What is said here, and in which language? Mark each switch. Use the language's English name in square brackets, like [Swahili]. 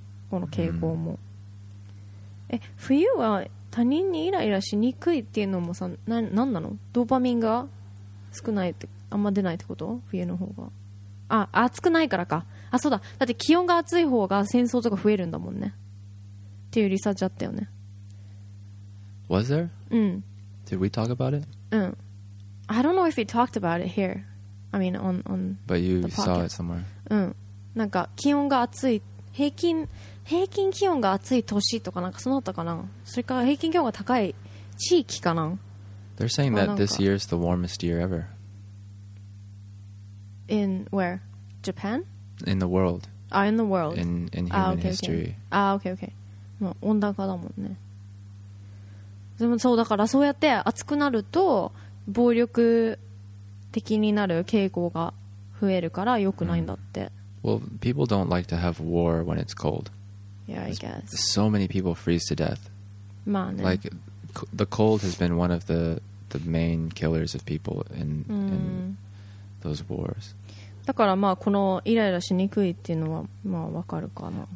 [Japanese] この傾向も。うん、冬は他人にイライラしにくいっていうのもさ、何なの？ドーパミンが少ないって、あんま出ないってこと？冬の方が、あ、暑くないからか。あ、そうだ、だって気温が暑い方が戦争とか増えるんだもんねっていうリサーチあったよね。 [English] Was there? [Japanese] うん、 [English] Did we talk about it? うん、 I don't know if we talked about it here, I mean on But you saw it somewhere. [Japanese] うん、なんか気温が暑い、平均気温が暑い年とかなんかそうなったかな、それから平均気温が高い地域かな。 [English] They're saying that this year is the warmest year ever. In where? Japan? In the world. Ah, in the world. In human history. Ah, okay, okay. [Japanese] まあ、温暖化だもんね。でもそうだからそうやって暑くなると暴力的になる傾向が増えるから良くないんだって。 Mm. [English] Well, people don't like to have war when it's cold. Yeah, I guess. So many people freeze to death. [Japanese] まあね。 [English] Like, the cold has been one of the main killers of people in those wars. [Japanese] だからまあこのイライラしにくいっていうのはまあわかるかな。